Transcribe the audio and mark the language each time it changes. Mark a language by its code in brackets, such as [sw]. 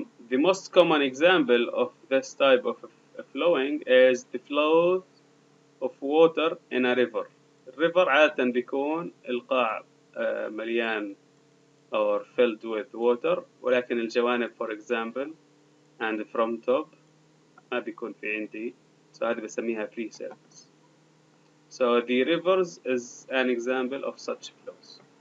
[en] The most common example of this type of flowing is the flow of water in a river. [ar] River عادة بيكون القاع مليان [en] or filled with water, [ar] ولكن الجوانب [en] for example and from top [ar] ما بيكون في عندي. So هذه بسميها free surface. [en] So the rivers is an example of such flows.